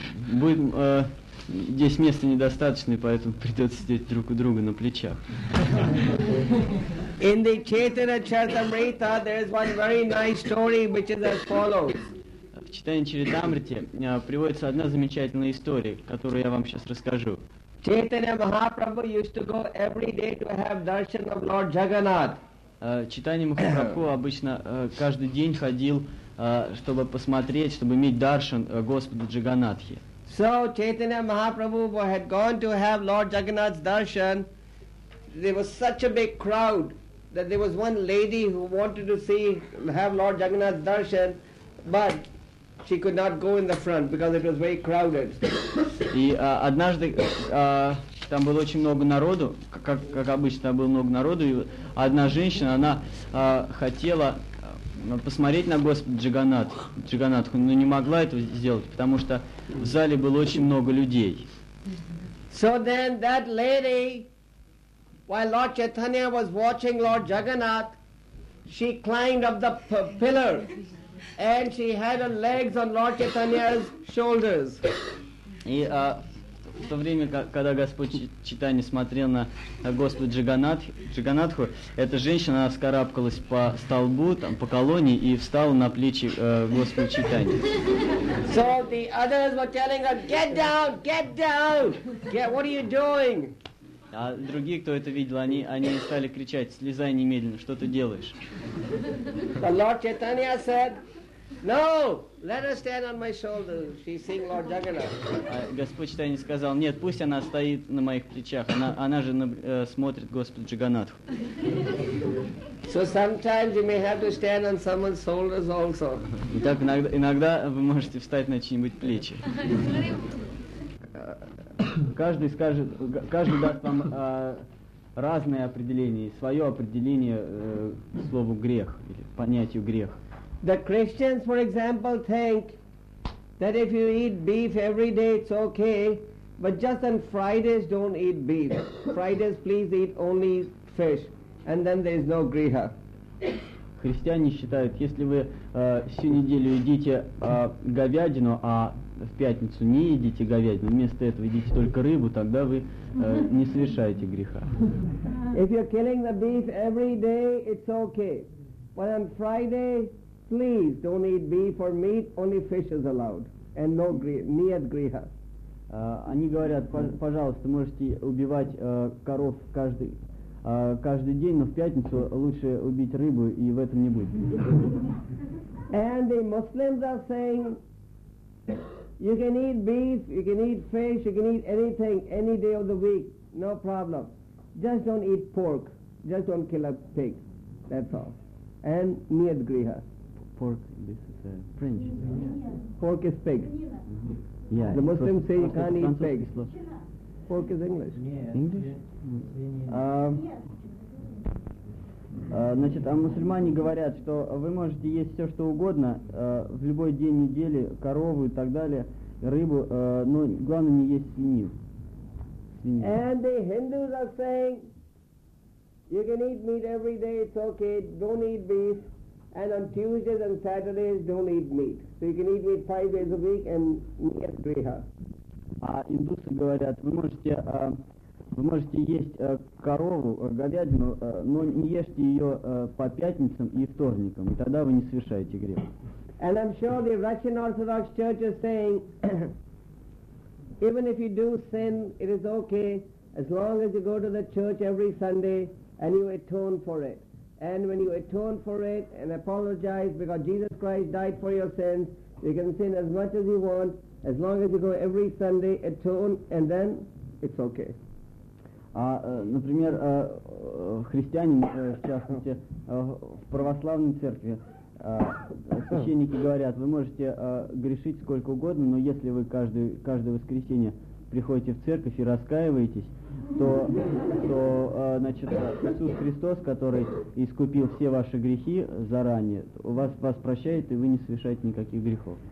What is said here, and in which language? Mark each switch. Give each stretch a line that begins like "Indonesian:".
Russian: Будем здесь места недостаточно, поэтому придется сидеть друг у друга на плечах.
English: In the Chaitanya Charitamrita, there is one very nice story, which is as follows.
Russian: В Чайтанья Чаритамрите приводится одна замечательная история, которую я вам сейчас расскажу.
English: Chaitanya Mahaprabhu used to go every day to have darshan of Lord Jagannath.
Russian: Chaitanya Mahaprabhu обычно каждый день ходил, чтобы посмотреть, чтобы иметь даршан Господа Джаганатхи.
English: So Chaitanya Mahaprabhu had gone to have Lord Jagannath's darshan. There was such a big crowd that there was one lady who wanted to see, have Lord Jagannath's darshan, but she could not go in the front because it was very crowded.
Russian: И однажды там было очень много народу, как обычно было много народу, и одна женщина, она хотела посмотреть на Господа Джаганатху, но не могла этого сделать, потому что в зале было очень много людей.
English: So then that lady, while Lord Chaitanya was watching Lord Jagannath, she climbed up the pillar and she had her legs on Lord Chaitanya's shoulders.
Russian: И в то время, когда Господь Чайтанья смотрел на Господа Джаганатху, эта женщина вскарабкалась по столбу, там, по колонне, и встала на плечи Господа Чайтанья.
English: So the others were telling her, get down, get down! Get, what are you doing?
Russian: А другие, кто это видел, они стали кричать, слезай немедленно, что ты делаешь?
English: The Lord Chaitanya said, no, let her stand on my shoulders. She's seeing Lord Jagannath.
Russian: Господь Чайтанья сказал, нет, пусть она стоит на моих плечах. Она же смотрит Господа Джаганатху.
English: So sometimes you may have to stand on someone's shoulders also.
Russian: Итак, иногда вы можете встать на чьи-нибудь плечи. Каждый даст вам разное определение, свое определение слову грех или понятию грех.
English: The Christians, for example, think that if you eat beef every day, it's okay, but just on Fridays, don't eat beef. Fridays, please eat only fish, and then there is no griha.
Russian: Христиане считают, если вы всю неделю едите говядину, а в пятницу не едите говядину, вместо этого едите только рыбу, тогда вы не совершаете греха.
English: If you're killing the beef every day, it's okay, but on Friday, please don't eat beef or meat, only fish is allowed. And no niyat griha.
Russian: Они говорят, пожалуйста, можете убивать коров каждый день, но в пятницу лучше убить рыбу, и в этом не будет.
English: And the Muslims are saying, you can eat beef, you can eat fish, you can eat anything, any day of the week, no problem. Just don't eat pork, just don't kill a pig, that's all. And niyat griha. Pork, this is French. Yeah. Pork is pig. Mm-hmm. Yeah. The Muslims say you can't eat pig. Pork is English. Yeah. English? Yeah.
Russian: Значит, а мусульмане говорят, что вы можете есть все, что угодно, в любой день недели, корову и так далее, рыбу, но главное не есть свинью.
English: And the Hindus are saying, you can eat meat every day, it's okay, don't eat beef. And on Tuesdays and Saturdays, don't eat meat. So you can eat meat 5 days a week and niyat griha.
Russian: Индусы говорят, вы можете есть корову, говядину, но не ешьте ее по пятницам и вторникам, и тогда вы не совершаете грех.
English: And I'm sure the Russian Orthodox Church is saying, even if you do sin, it is okay, as long as you go to the church every Sunday and you atone for it. And when you atone for it and apologize because Jesus Christ died for your sins, you can sin as much as you want, as long as you go every Sunday, atone, and then it's okay.
Russian: Например, христианин, в частности, в православной церкви, священники говорят, вы можете грешить сколько угодно, но если вы каждое воскресенье приходите в церковь и раскаиваетесь, то, Иисус Христос, который искупил все ваши грехи заранее, вас прощает, и вы не совершаете никаких грехов.